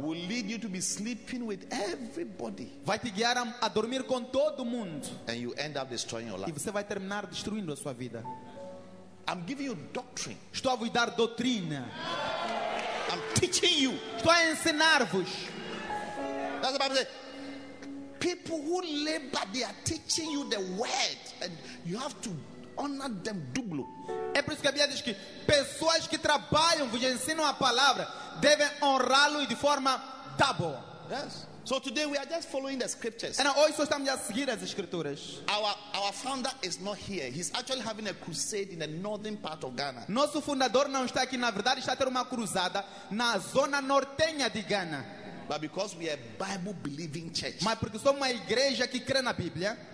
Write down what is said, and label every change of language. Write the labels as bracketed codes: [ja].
[en] Will lead you to be sleeping with everybody. [pt] Vai te guiar a dormir com todo mundo. [en] And you end up destroying your life. [pt] E você vai terminar destruindo a sua vida. [en] I'm giving you doctrine. [pt] Estou a vos dar doutrina. [en] I'm teaching you. [pt] Estou a ensinar-vos. [en] That's the Bible says. People who labor, they are teaching you the word, and you have to honor them duplo. [pt] É por isso que a Bíblia diz que pessoas que trabalham vos ensinam a palavra devem honrá-lo de forma double. [en] Yes. So today we are just following the scriptures. [pt] And hoje estamos a seguir as escrituras. [en] Our founder is not here. He's actually having a crusade in the northern part of Ghana. [pt] Nosso fundador não está aqui, na verdade está a ter uma cruzada na zona nortenha de Ghana. [en] But because we are a Bible believing church. [pt] Mas porque somos uma igreja que crê na Bíblia.